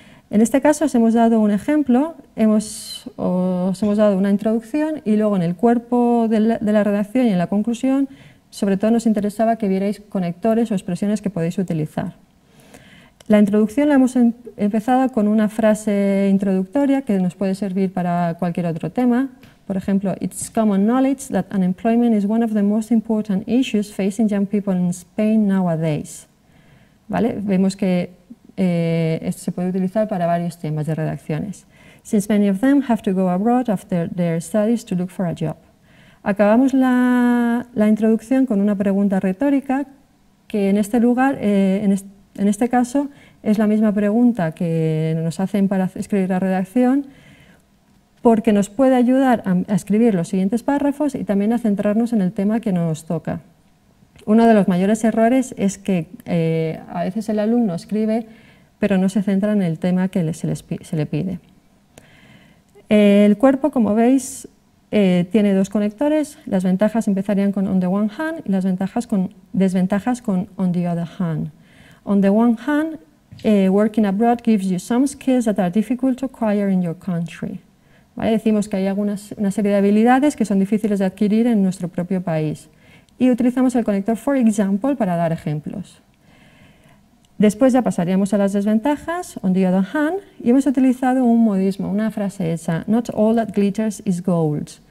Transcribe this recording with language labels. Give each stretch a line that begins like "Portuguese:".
Spanish: En este caso os hemos dado un ejemplo, os hemos dado una introducción y luego en el cuerpo de la redacción y en la conclusión sobre todo nos interesaba que vierais conectores o expresiones que podéis utilizar. La introducción la hemos empezado con una frase introductoria que nos puede servir para cualquier otro tema. Por ejemplo,
English: it's common knowledge that unemployment is one of the most important issues facing young people in Spain nowadays.
Spanish: ¿Vale? Vemos que Esto se puede utilizar para varios temas de redacciones.
English: Since many of them have to go abroad after their studies to look for a job.
Spanish: Acabamos la introducción con una pregunta retórica que en este lugar, en este caso, es la misma pregunta que nos hacen para escribir la redacción, porque nos puede ayudar a escribir los siguientes párrafos y también a centrarnos en el tema que nos toca. Uno de los mayores errores es que a veces el alumno escribe, pero no se centra en el tema que se le pide. El cuerpo, como veis, tiene dos conectores. Las ventajas empezarían con
English: on the one hand
Spanish: y las desventajas con
English: on the other hand. On the one hand, working abroad gives you some skills that are difficult to acquire in your country.
Spanish: ¿Vale? Decimos que hay una serie de habilidades que son difíciles de adquirir en nuestro propio país. Y utilizamos el conector
English: for example
Spanish: para dar ejemplos. Después ya pasaríamos a las desventajas,
English: on the other hand,
Spanish: y hemos utilizado un modismo, una frase hecha,
English: not all that glitters is gold.